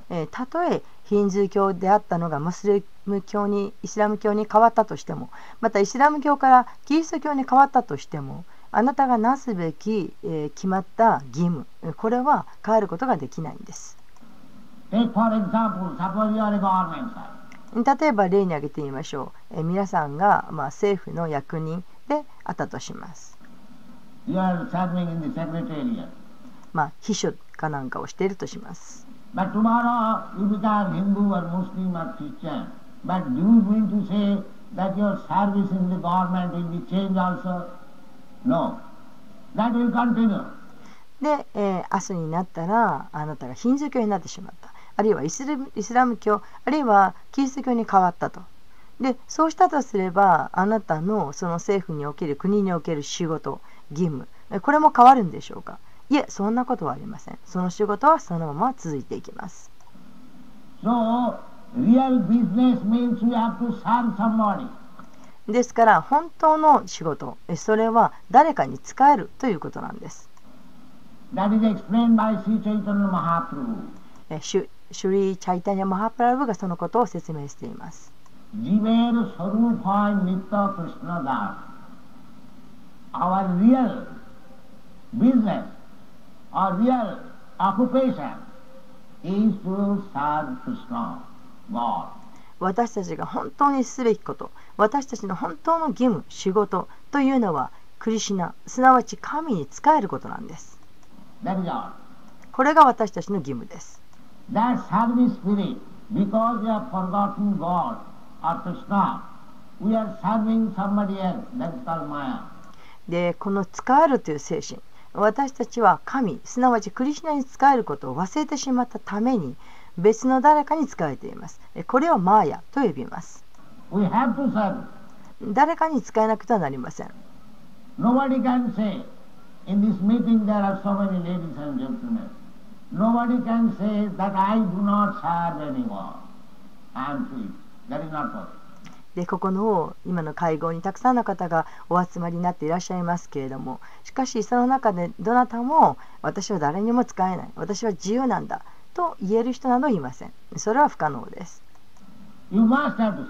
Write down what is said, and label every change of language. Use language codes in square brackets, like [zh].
[ja] たとえヒンズー教であったのがムスリム教にイスラム教に変わったとしても、またイスラム教からキリスト教に変わったとしても、あなたがなすべき、決まった義務、これは変わることができないんです。例えば例に挙げてみましょう。皆さんが、まあ、政府の役人であったとします。 [en] You are serving in the secretary. [ja] まあ、秘書かなんかをしているとします。 [en] But tomorrow you become Hindu or Muslim or Christian. But do you mean to say that your service in the government will be changed also? No. That will continue. [ja] で、明日になったらあなたがヒンズー教になってしまった。あるいはイスラム教、あるいはキリスト教に変わったと。で、そうしたとすれば、あなたのその政府における、国における仕事、義務、これも変わるんでしょうか？いえ、そんなことはありません。その仕事はそのまま続いていきます。 [en] So, real business means you have to serve somebody. [ja] ですから本当の仕事、それは誰かに使えるということなんです。 [en] That is explained by Sri Chaitanya Mahaprabhu. [ja] シュリー・チャイタニア・マハプラブがそのことを説明しています。 [bn] ジベル・ソルファイ・ニット・クリスナダー [en] Our real businessOur real occupation is to serve Krishna, God. [ja] 私たちが本当にすべきこと、私たちの本当の義務、仕事というのはクリシナ、すなわち神に仕えることなんです。 [en] That is all. [ja] これが私たちの義務です。 [en] That service spirit, because we have forgotten God or Krishna, we are serving somebody else, that is called Maya. [ja] で、この仕えるという精神、私たちは神、すなわちクリシナに仕えることを忘れてしまったために別の誰かに仕えています。これをマーヤと呼びます。 [en] We have to serve. [ja] 誰かに仕えなくてはなりません。 [en] Nobody can say in this meeting there are so many ladies and gentlemen. Nobody can say that I do not serve anymore. I'm free. That is not possible. [ja] で、ここの今の会合にたくさんの方がお集まりになっていらっしゃいますけれども、しかしその中でどなたも私は誰にも使えない、私は自由なんだと言える人などいません。それは不可能です。 [en] You must have to